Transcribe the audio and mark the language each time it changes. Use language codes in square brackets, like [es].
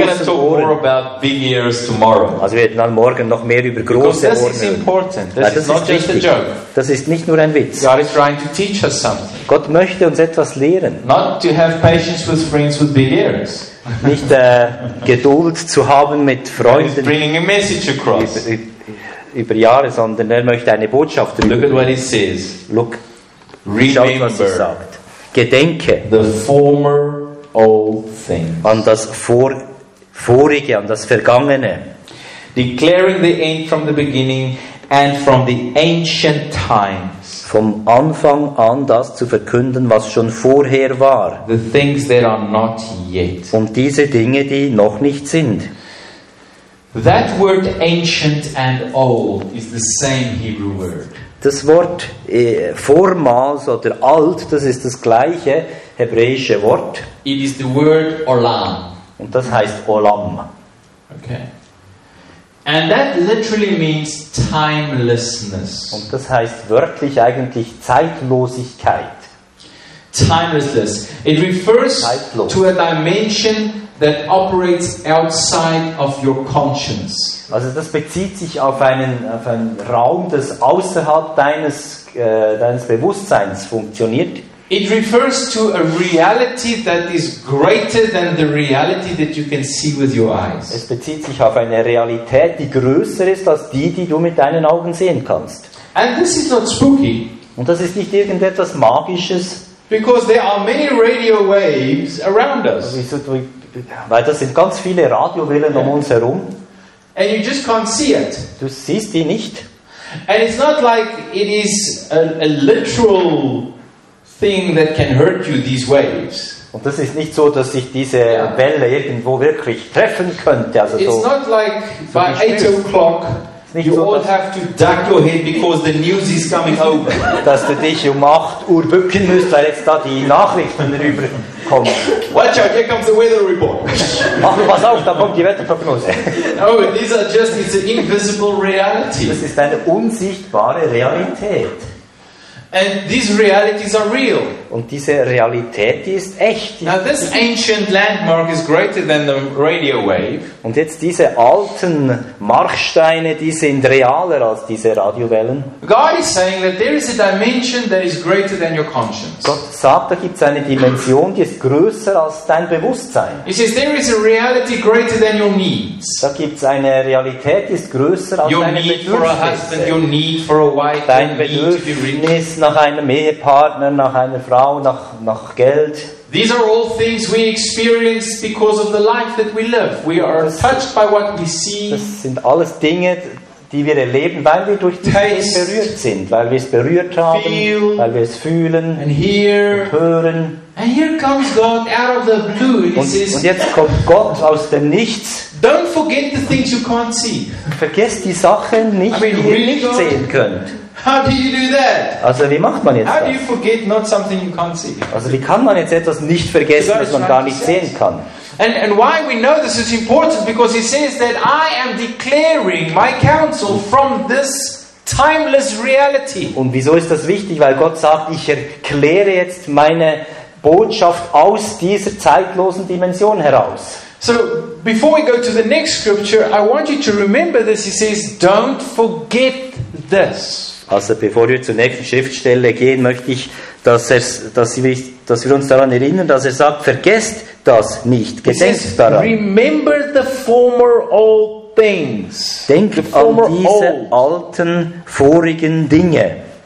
[en] We're going to talk more about big ears tomorrow. [de] Also wir werden dann morgen noch mehr über große Ohren hören. Ja, das ist wichtig. [en] Just a joke. [de] Das ist nicht nur ein Witz. [en] God is trying to teach us something. [de] Gott möchte uns etwas lehren. [en] Not to have patience with friends with big ears. [de] Nicht Geduld zu haben mit Freunden. [en] He's bringing a message across. [de] Über Jahre, sondern er möchte eine Botschaft [en] rüber. Look at what he says. [de] Look, schaut, was er sagt. Gedenke [en] the former old things. [de] An das Vorige, an das Vergangene. [en] Declaring the end from the beginning and from the ancient times. [de] Vom Anfang an das zu verkünden, was schon vorher war. [en] The things that are not yet. [de] Und diese Dinge, die noch nicht sind. [en] That word ancient and old is the same Hebrew word. [de] Das Wort vormals oder alt, das ist das gleiche hebräische Wort. [en] It is the word olam. [de] Und das heißt olam. [en] Okay. And that literally means timelessness. [de] Und das heißt wörtlich eigentlich Zeitlosigkeit. [en] Timelessness. It refers Zeitlos. To a dimension that operates outside of your conscience. [de] Also das bezieht sich auf einen Raum, das außerhalb deines deines Bewusstseins funktioniert. [en] It refers to a reality that is greater than the reality that you can see with your eyes. [de] Es bezieht sich auf eine Realität, die größer ist als die, die du mit deinen Augen sehen kannst. [en] And this is not spooky. [de] Und das ist nicht irgendetwas Magisches. [en] Because there are many radio waves around us. [de] Weil das sind ganz viele Radiowellen um uns herum. [en] And you just can't see it. [de] Du siehst die nicht. [en] And it's not like it is a literal thing that can hurt you, these waves. [de] Und das ist nicht so, dass sich diese Welle irgendwo wirklich treffen könnte. [en] Also it's so, not like so by 8 o'clock you so, all have to duck your head because the news is coming over. [de] Dass du dich um 8 Uhr bücken musst, weil jetzt da die Nachrichten rüber. [en] Watch out, here comes the weather report. [de] Ach, pass auf, da kommt die Wetterprognose. [en] Oh, these are just, it's an invisible reality. [de] Das ist eine unsichtbare Realität. [en] And these realities are real. [de] Und diese Realität, die ist echt. [en] Now this ancient landmark is greater than the radio wave. [de] Und jetzt diese alten Marksteine, die sind realer als diese Radiowellen. [en] God is saying that there is a dimension that is greater than your conscience. [de] Gott sagt, da gibt es eine Dimension, die ist größer als dein Bewusstsein. [en] He says there is a reality greater than your needs. [de] Da gibt es eine Realität, die ist größer als [en] your [de] deine [en] need [de] Bedürfnisse. [en] For a husband, your need for a wife, [de] dein Bedürfnis nach einem Ehepartner, nach einer Frau, nach Geld. [en] These are all things we experience because of the life that we live. We are touched by what we see. [de] Das sind alles Dinge, die wir erleben, weil wir durch das berührt sind, weil wir es berührt haben, [en] feel, [de] weil wir es fühlen [en] and hear, [de] und hören. [en] And here comes God out of the blue and [de] und, [en] he says, [de] und jetzt kommt Gott aus dem Nichts. [en] Don't forget the things you can't see. [de] Vergesst die Sachen nicht, die ihr nicht [en] God? [de] Sehen könnt. [en] How do you do that? [de] Also wie macht man jetzt [en] How [de] das? [en] Do you forget not something you can't see? [de] Also wie kann man jetzt etwas nicht vergessen, was man gar nicht sehen kann? [en] And why we know this is important because he says that I am declaring my counsel from this timeless reality. [de] Und wieso ist das wichtig? Weil Gott sagt, ich erkläre jetzt meine Botschaft aus dieser zeitlosen Dimension heraus. [en] So before we go to the next scripture, I want you to remember this. He says, don't forget this. [de] Also bevor wir zur nächsten Schriftstelle gehen, möchte ich, dass wir uns daran erinnern, dass er sagt, vergesst das nicht, gedenkt [en] says, [de] daran. [en] Remember the former old things. [de] Denkt [en] the former [de] an diese old. Alten, vorigen Dinge.